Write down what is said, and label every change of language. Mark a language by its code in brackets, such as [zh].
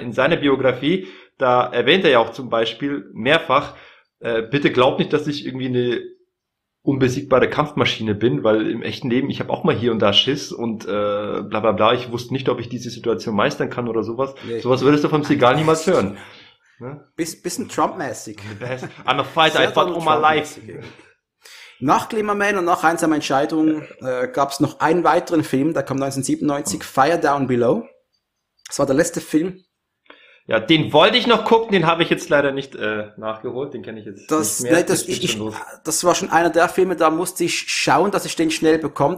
[de] In seiner Biografie, da erwähnt er ja auch zum Beispiel mehrfach, bitte glaub nicht, dass ich irgendwie eine unbesiegbare Kampfmaschine bin, weil im echten Leben, ich habe auch mal hier und da Schiss und bla bla bla, ich wusste nicht, ob ich diese Situation meistern kann oder sowas. Nee, sowas würdest du vom Seagal niemals hören. Bisschen Trump-mäßig. [en] I'm a fight, I fought all my life. [de] Nach Glimmerman und nach Einsame Entscheidung gab es noch einen weiteren Film, der kam 1997, Fire Down Below. Das war der letzte Film. Ja, den wollte ich noch gucken, den habe ich jetzt leider nicht nachgeholt, den kenne ich jetzt das, nicht mehr. Nee, das war schon einer der Filme, da musste ich schauen, dass ich den schnell bekomme.